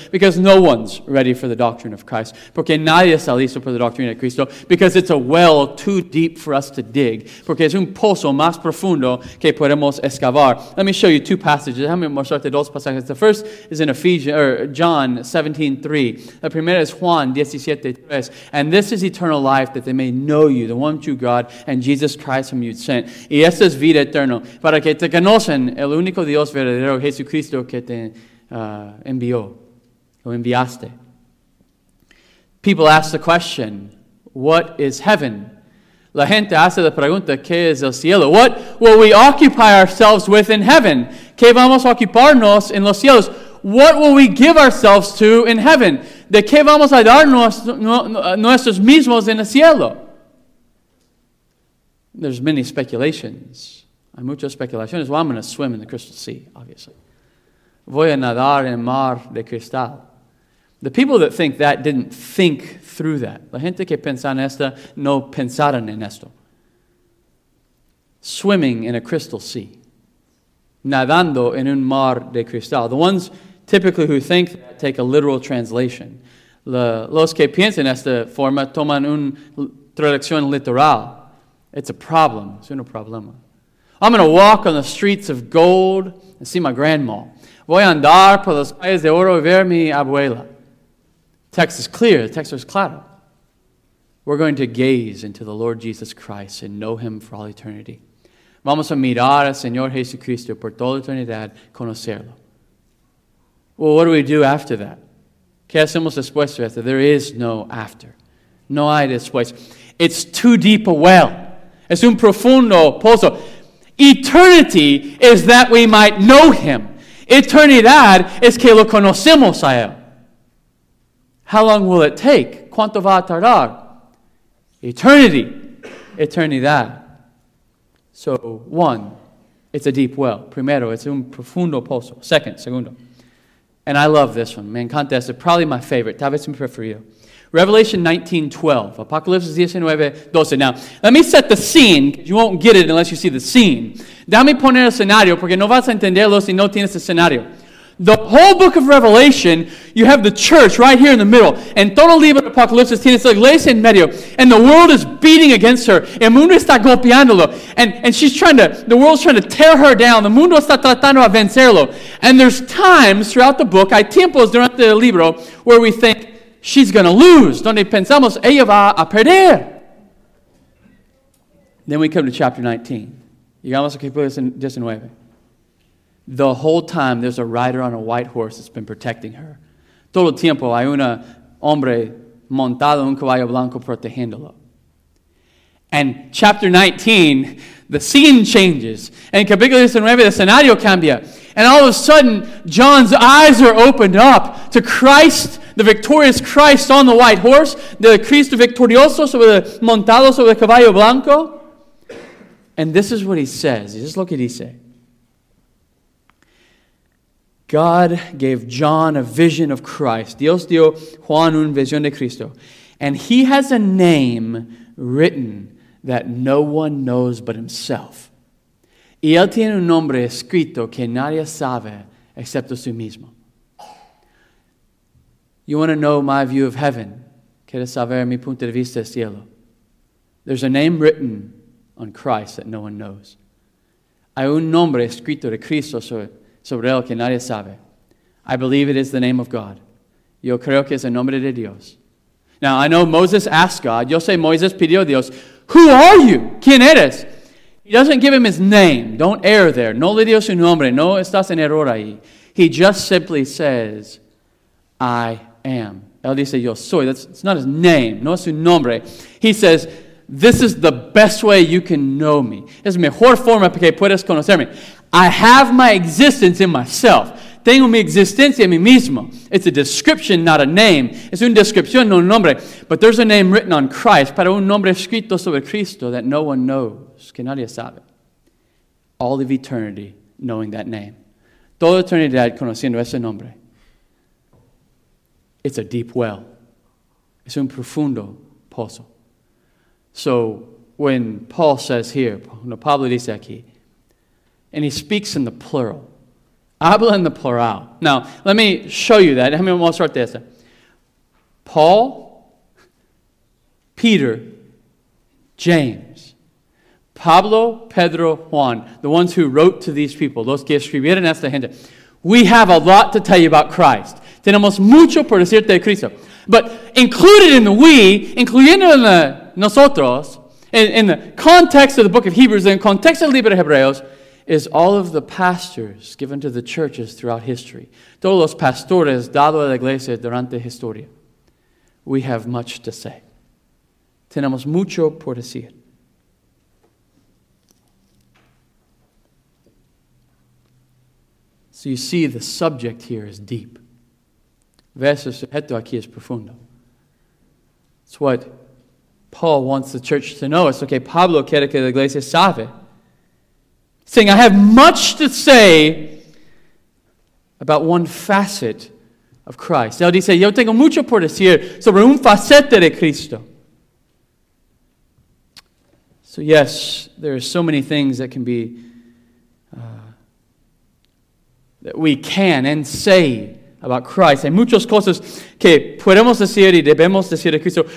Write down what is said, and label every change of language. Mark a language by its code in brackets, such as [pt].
[en] Because no one's ready for the doctrine of Christ. [es] Porque nadie está listo para la doctrina de Cristo. [en] Because it's a well too deep for us to dig. [es] Porque es un pozo más profundo que podemos excavar. [en] Let me show you two passages. [es] Déjame mostrarte dos pasajes. [en] The first is in John 17:3. [es] La primera es Juan 17:3. [en] And this is eternal life, that they may know you, the one true God, and Jesus Christ whom you've sent. [es] Y esta es vida eterna. Para que te conocen el único Dios verdadero, Jesucristo, que te envió, o enviaste. [en] People ask the question, what is heaven? [es] La gente hace la pregunta, ¿qué es el cielo? [en] What will we occupy ourselves with in heaven? [es] ¿Qué vamos a ocuparnos en los cielos? [en] What will we give ourselves to in heaven? [es] ¿De qué vamos a darnos nuestros mismos en el cielo? [en] There's many speculations. [es] Hay muchas especulaciones. [en] Well, I'm going to swim in the crystal sea, obviously. [es] Voy a nadar en mar de cristal. [en] The people that think that didn't think through that. [es] La gente que piensa en esto no pensaron en esto. [en] Swimming in a crystal sea. [es] Nadando en un mar de cristal. [en] The ones typically who think that take a literal translation. [es] Los que piensan en esta forma toman una traducción literal. [en] It's a problem. [es] Es un problema. [en] I'm going to walk on the streets of gold and see my grandma. [es] Voy a andar por las calles de oro y ver mi abuela. [en] Text is clear. The text is claro. We're going to gaze into the Lord Jesus Christ and know him for all eternity. [es] Vamos a mirar al Señor Jesucristo por toda eternidad, conocerlo. [en] Well, what do we do after that? [es] ¿Qué hacemos después de esto? [en] There is no after. [es] No hay después. [en] It's too deep a well. [es] Es un profundo pozo. [en] Eternity is that we might know him. [es] Eternidad es que lo conocemos a él. [en] How long will it take? [es] ¿Cuánto va a tardar? [en] Eternity. [es] Eternidad. [en] So, one, it's a deep well. [es] Primero, [en] it's [es] un profundo pozo. Segundo. [en] And I love this one. [es] Me encanta este. [en] Probably my favorite. [es] Tal vez mi preferido. [en] Revelation 19:12, Apocalipsis 19:12. Now, let me set the scene. You won't get it unless you see the scene. [es] Dame poner el escenario, porque no vas a entenderlo si no tienes el escenario. [en] The whole book of Revelation, you have the church right here in the middle. [es] And todo el libro de Apocalipsis tiene la iglesia en medio. [en] And the world is beating against her. [es] El mundo está golpeándolo. [en] And the world's trying to tear her down. [es] El mundo está tratando de vencerlo. [en] And there's times throughout the book, [es] hay tiempos durante el libro, [en] where we think, she's going to lose. [es] Donde pensamos, ella va a perder. [en] Then we come to chapter 19. [es] Llegamos a capítulo 19. [en] The whole time, there's a rider on a white horse that's been protecting her. [es] Todo el tiempo, hay un hombre montado en un caballo blanco protegiéndolo. [en] And chapter 19, the scene changes. [es] En capítulo 19, [en] the scenario cambia. And all of a sudden, John's eyes are opened up to Christ, the victorious Christ on the white horse, the [es] Cristo victorioso sobre el montado sobre el caballo blanco. [en] And this is what he says. Just look at what he says. God gave John a vision of Christ. [es] Dios dio Juan una visión de Cristo. [en] And he has a name written that no one knows but himself. [es] Y él tiene un nombre escrito que nadie sabe excepto sí mismo. [en] You want to know my view of heaven? [es] ¿Quieres saber mi punto de vista del cielo? [en] There's a name written on Christ that no one knows. [es] Hay un nombre escrito de Cristo sobre él que nadie sabe. [en] I believe it is the name of God. [es] Yo creo que es el nombre de Dios. [en] Now, I know Moses asked God. [es] Yo sé Moisés pidió a Dios. [en] Who are you? [es] ¿Quién eres? [en] He doesn't give him his name. Don't err there. [es] No le dio su nombre. No estás en error ahí. [en] He just simply says, I am. [es] Él dice, yo soy. [en] That's not his name. [es] No es su nombre. [en] He says, this is the best way you can know me. [es] Es mejor forma que puedes conocerme. [en] I have my existence in myself. [es] Tengo mi existencia en mí mismo. [en] It's a description, not a name. [es] Es una descripción, no un nombre. [en] But there's a name written on Christ. [es] Para un nombre escrito sobre Cristo [en] that no one knows. [es] Que nadie sabe. [en] All of eternity knowing that name. [es] Toda eternidad conociendo ese nombre. [en] It's a deep well. [es] Es un profundo pozo. [en] So when Paul says here, when [es] Pablo dice aquí, [en] and he speaks in the plural, Habla in the plural. Now, let me show you that. We'll start this. Paul, Peter, James, Pablo, Pedro, Juan, the ones who wrote to these people, [es] los que escribieron esta gente. [en] We have a lot to tell you about Christ. [es] Tenemos mucho por decirte de Cristo. [en] But included in the we, [es] incluyendo en nosotros, [en] in the context of the book of Hebrews, in the context of the [es] libro de Hebreos, [en] is all of the pastors given to the churches throughout history. [es] Todos los pastores dado a la iglesia durante historia. [en] We have much to say. [es] Tenemos mucho por decir. [en] So you see, the subject here is deep. [es] Verso sujeto aquí es profundo. [en] It's what Paul wants the church to know. It's okay, [es] Pablo quiere que la iglesia sabe. [en] Saying, I have much to say about one facet of Christ. [es] Él dice, yo tengo mucho por decir sobre un facete de Cristo. [en] So yes, there are so many things that can be that we can and say about Christ. [es] Hay muchas cosas que podemos decir y debemos decir de Cristo.